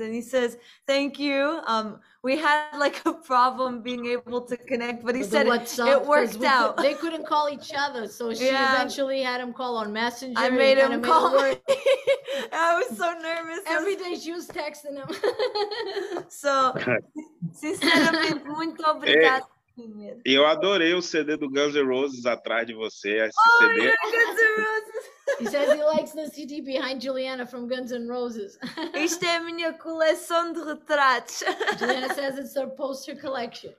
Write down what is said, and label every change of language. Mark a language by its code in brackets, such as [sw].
[en] And he says, thank you. We had like a problem being able to connect, but he said it worked out. They couldn't call each other. So she eventually had him call on Messenger. I made him call. I was so nervous. Every day she was texting him. [pt] So, sinceramente, muito obrigada. E eu adorei o CD do Guns N' Roses atrás de você. Esse oh, CD. [en] Yeah, Guns N' Roses. He says he likes the CD behind Juliana from Guns N' Roses. [pt] Isto é a minha coleção de retratos. [en] Juliana says it's their poster collection.